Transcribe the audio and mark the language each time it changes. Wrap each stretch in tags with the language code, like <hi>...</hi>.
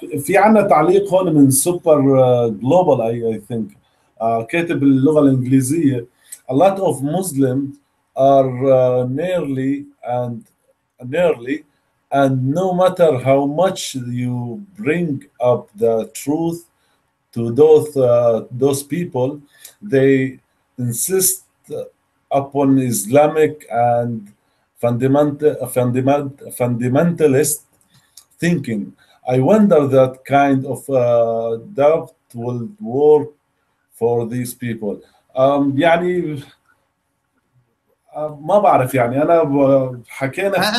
<ar>في عندنا تعليق هون من سوبر جلوبال</ar> <en>I think</en> <ar>كاتب اللغه الانجليزيه،</ar> <en>a lot of Muslims are nearly and nearly And no matter how much you bring up the truth to those people, they insist upon Islamic and fundamentalist thinking. I wonder that kind of doubt will work for these people.</en> <ar>يعني ما بعرف يعني انا حكينا</ar>